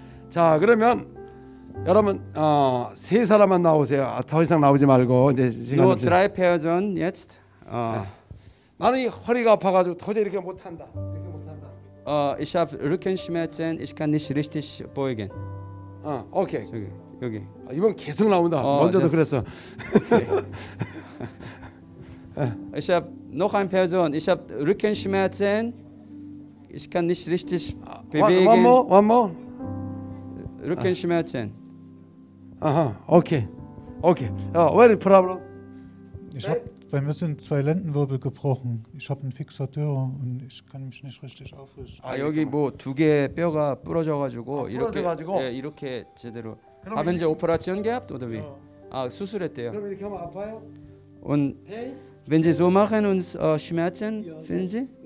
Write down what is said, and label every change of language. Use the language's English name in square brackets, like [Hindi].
[Korean] 자, 그러면 여러분 세 사람만 나오세요. 더 이상 나오지 말고 이제 [English] 지금 No dry pairs on yet. [Korean] 나는 허리가 아파 가지고 도저히 이렇게 못 한다. 이렇게 못 한다. [German] Ich habe Rückenschmerzen. Ich kann nicht richtig beugen. [English] 오케이. [Korean] 저기 여기. 아, 이번 계속 나온다. 먼저도 this... 그랬어. [English] Okay. [German] Ich habe noch ein pair on. Ich habe Rückenschmerzen. Ich kann nicht richtig bewegen. [English] One more. [German] Rückenschmerzen. [English] Aha, okay. Ja, what is problem? [German] Ich habe bei mir sind zwei Lendenwirbel gebrochen. Ich habe einen Fixateur und ich kann mich nicht richtig aufrichten. [Korean] 아 여기 뭐 두 개 뼈가 부러져 가지고 이렇게 예, 이렇게 제대로 하면 이제 오퍼레이션 [German] gehabt oder wie? [Korean] 아, 수술했대요. 그럼 이렇게 하면 아파요? [German] Und wenn Sie so machen und Schmerzen finden Sie?